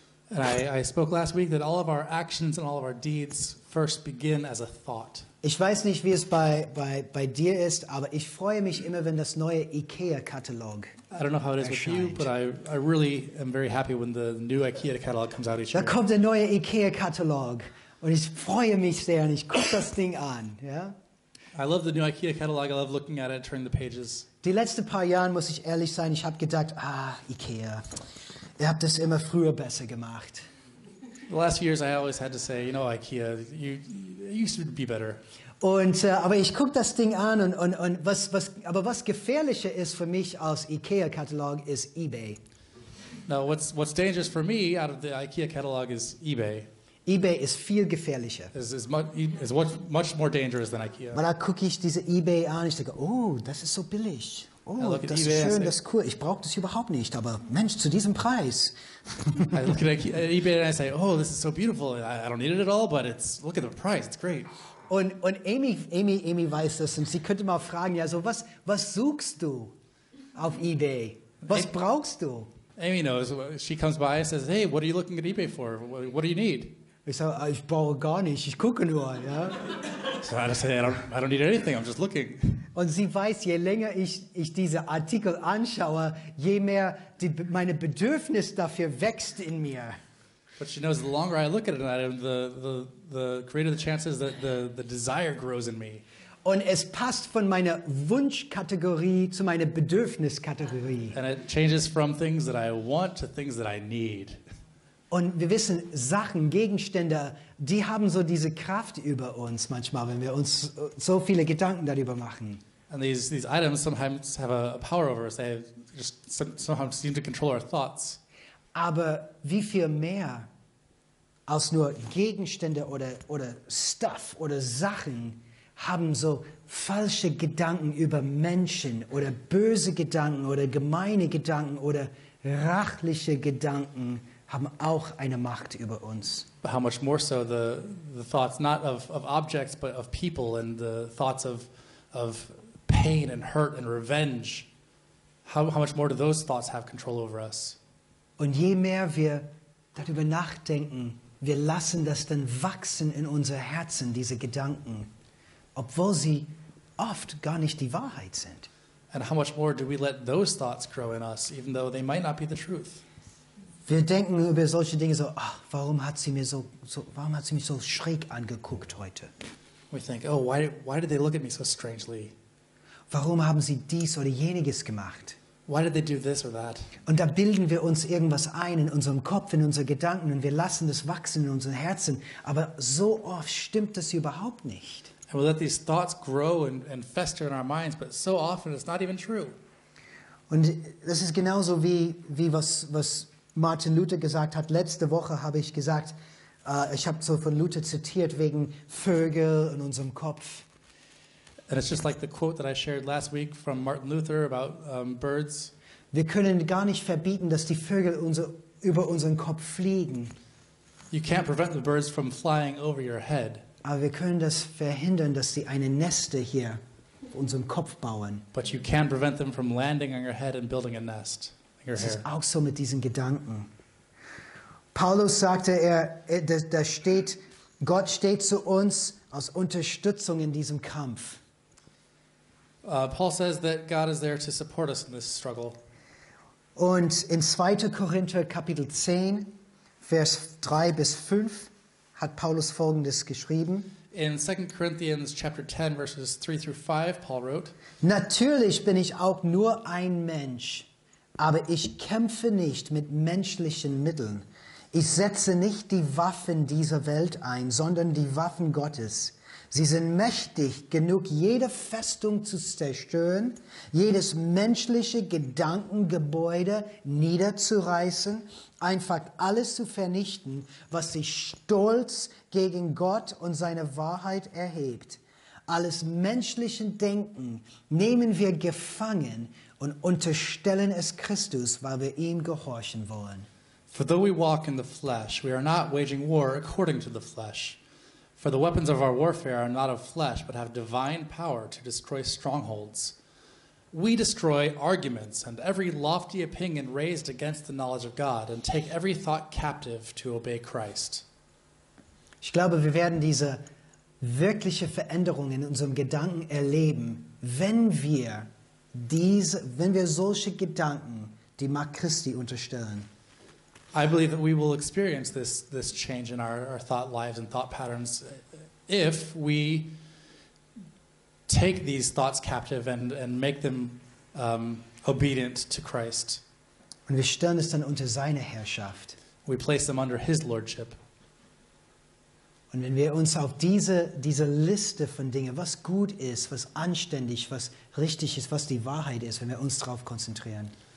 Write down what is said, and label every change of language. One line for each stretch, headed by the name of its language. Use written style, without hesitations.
English: And I spoke last week that all of our actions and all of our deeds first begin as a thought.
German: Ich weiß nicht, wie es bei dir ist, aber ich freue mich immer, wenn das neue IKEA-Katalog erscheint.
English: I don't know how it is with you, but I really am very happy when the new IKEA catalog comes out each year.
German: Da kommt der neue IKEA-Katalog und ich freue mich sehr und ich gucke das Ding an. Ja?
English: I love the new IKEA catalog. I love looking at it, turning the pages.
German: Die letzten paar Jahre, muss ich ehrlich sein, ich habe gedacht, IKEA, ihr habt das immer früher besser gemacht.
English: The last few years I always had to say, you know, IKEA, you used to be better.
German: Aber ich guck das Ding an und was gefährlicher ist für mich als IKEA Katalog ist eBay.
English: Now what's dangerous for me out of the IKEA Katalog is eBay.
German: eBay ist viel gefährlicher.
English: Is much more dangerous than IKEA.
German: Weil da gucke ich diese eBay an, ich denke, oh, das ist so billig. Oh, das ist eBay, schön, das ist cool. Ich brauche das überhaupt nicht, aber Mensch, zu diesem Preis.
English: I look at eBay and I say, oh, this is so beautiful. I don't need it at all, but it's look at the price. It's great.
German: Und Amy weiß das und sie könnte mal fragen, ja, so was suchst du auf eBay? Was brauchst du?
English: Amy knows. She comes by and says, hey, what are you looking at eBay for? What do you need?
German: Ich sage, ich brauche gar nicht. Ich gucke nur, ja.
English: So I just say, I don't need anything. I'm just looking.
German: Und sie weiß, je länger ich diese Artikel anschaue, je mehr meine Bedürfnis dafür wächst in mir.
English: But she knows, the longer I look at an item, the greater the chances that the desire grows in me.
German: Und es passt von meiner Wunschkategorie zu meiner Bedürfniskategorie.
English: And it changes from things that I want to things that I need.
German: Und wir wissen, Sachen, Gegenstände, die haben so diese Kraft über uns manchmal, wenn wir uns so viele Gedanken darüber machen.
English: And these items sometimes have a power over us. They just somehow seem to control our thoughts.
German: Aber wie viel mehr als nur Gegenstände oder Stuff oder Sachen haben so falsche Gedanken über Menschen oder böse Gedanken oder gemeine Gedanken oder rachliche Gedanken haben auch eine Macht über uns.
English: But how much more so the thoughts not of objects but of people and the thoughts of pain and hurt and revenge. How much more do those thoughts have control over us?
German: Und je mehr wir darüber nachdenken, wir lassen das dann wachsen in unser Herzen, diese Gedanken, obwohl sie oft gar nicht die Wahrheit sind.
English: And how much more do we let those thoughts grow in us, even though they might not be the truth?
German: Wir denken über solche Dinge so, ach, warum hat sie mir warum hat sie mich so schräg angeguckt heute?
English: We think, oh, why did they look at me so strangely?
German: Warum haben sie dies oder jenes gemacht?
English: Why did they do this or that?
German: Und da bilden wir uns irgendwas ein in unserem Kopf, in unseren Gedanken und wir lassen das wachsen in unseren Herzen. Aber so oft stimmt das überhaupt nicht.
English: And we let these thoughts grow and fester in our minds, but so often it's not even true.
German: Und das ist genauso wie was Martin Luther gesagt hat. Letzte Woche habe ich gesagt, ich habe so von Luther zitiert wegen Vögel in unserem Kopf.
English: And it's just like the quote that I shared last week from Martin Luther about birds.
German: Wir können gar nicht verbieten, dass die Vögel über unseren Kopf fliegen.
English: You can't prevent the birds from flying over your head.
German: Aber wir können das verhindern, dass sie eine Neste hier auf unserem Kopf bauen.
English: But you can prevent them from landing on your head and building a nest.
German: Es ist auch so mit diesen Gedanken. Paulus sagte, da steht, Gott steht zu uns als Unterstützung in diesem Kampf.
English: Paul says that God is there to support us in this struggle.
German: Und in 2. Korinther Kapitel 10, Vers 3 bis 5 hat Paulus Folgendes geschrieben.
English: In 2. Corinthians chapter 10, verses 3 through 5, Paul wrote,
German: natürlich bin ich auch nur ein Mensch. Aber ich kämpfe nicht mit menschlichen Mitteln. Ich setze nicht die Waffen dieser Welt ein, sondern die Waffen Gottes. Sie sind mächtig genug, jede Festung zu zerstören, jedes menschliche Gedankengebäude niederzureißen, einfach alles zu vernichten, was sich stolz gegen Gott und seine Wahrheit erhebt. Alles menschliche Denken nehmen wir gefangen und unterstellen es Christus, weil wir ihm gehorchen wollen.
English: For though we walk in the flesh, we are not waging war according to the flesh. For the weapons of our warfare are not of flesh, but have divine power to destroy strongholds. We destroy arguments and every lofty opinion raised against the knowledge of God and take every thought captive to obey Christ.
German: Ich glaube, wir werden diese wirkliche Veränderung in unserem Gedanken erleben, wenn wir solche Gedanken die Macht Christi unterstellen.
English: I believe that we will experience this change in our thought lives and thought patterns if we take these thoughts captive and make them obedient to Christ.
German: Und wir stellen es dann unter seine Herrschaft.
English: We place them under his lordship.
German: Und wenn wir uns auf diese Liste von Dingen, was gut ist, was anständig, was richtig ist, was die Wahrheit ist, wenn wir uns darauf konzentrieren.